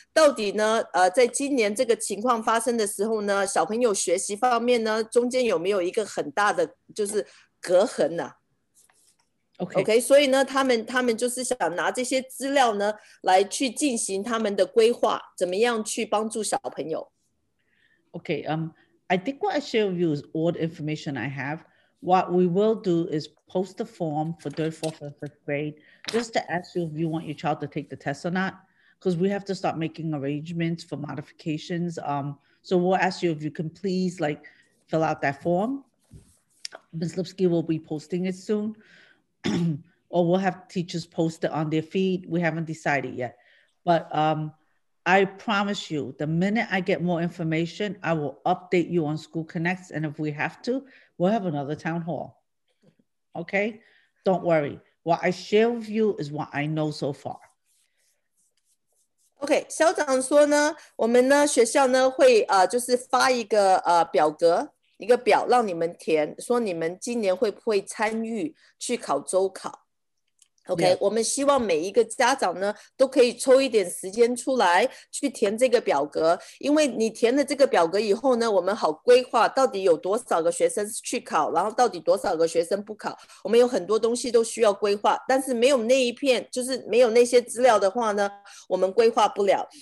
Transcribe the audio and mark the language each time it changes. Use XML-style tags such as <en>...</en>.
<zh>到底呢在今年这个情况发生的时候呢小朋友学习方面呢中间有没有一个很大的就是隔痕呢、啊、</zh> <en>okay.</en> <zh>OK, 所以呢他们就是想拿这些资料呢来去进行他们的规划怎么样去帮助小朋友。</zh> <en>OK, I think what I share with you is all the information I have. What we will do is post the form for third, fourth, and fifth grade, just to ask you if you want your child to take the test or not. because we have to start making arrangements for modifications. So we'll ask you if you can please like fill out that form. Ms. Lipsky will be posting it soon. Or we'll have teachers post it on their feed. We haven't decided yet. But I promise you, the minute I get more information, I will update you on School Connects. And if we have to, we'll have another town hall. Okay? Don't worry. What I share with you is what I know so far.</en> <zh>OK， 校长说呢，我们呢学校呢会就是发一个表格，一个表让你们填，说你们今年会不会参与去考周考。</zh> <en>OK，yeah.</en> <zh>我们希望每一个家长呢都可以抽一点时间出来去填这个表格，因为你填了这个表格以后呢，我们好规划到底有多少个学生去考，然后到底多少个学生不考，我们有很多东西都需要规划，但是没有那一片，就是没有那些资料的话呢，我们规划不了。</zh>